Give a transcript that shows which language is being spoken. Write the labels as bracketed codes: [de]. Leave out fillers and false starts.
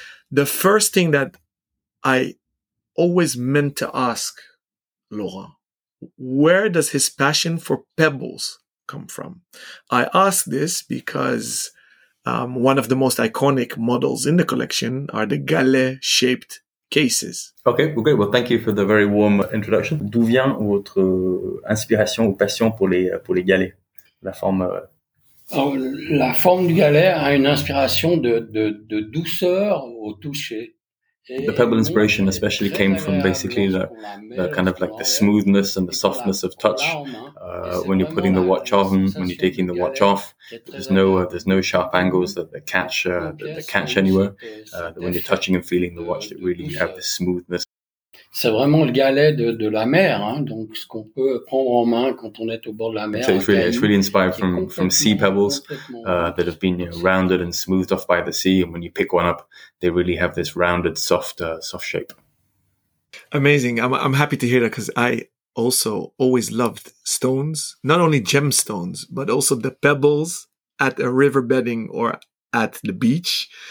[en] The first thing that I always meant to ask Laurent, where does his passion for pebbles come from? I ask this because one of the most iconic models in the collection are the galet-shaped cases. Okay, okay. Well, thank you for the very warm introduction. [fr] D'où vient votre inspiration ou passion pour les galets? La forme. La forme du galet a une inspiration de douceur au toucher. [en] The pebble inspiration especially came from basically the kind of like the smoothness and the softness of touch when you're putting the watch on, when you're taking the watch off. There's no sharp angles that catch anywhere. When you're touching and feeling the watch, that really you have the smoothness. [fr] C'est vraiment le galet de la mer, hein. Donc ce qu'on peut prendre en main quand on est au bord de la mer. [en] So it's really inspired from sea pebbles that have been, you know, rounded and smoothed off by the sea, and when you pick one up, they really have this rounded, soft shape. Amazing! I'm happy to hear that, because I also always loved stones, not only gemstones, but also the pebbles at a river bedding or at the beach.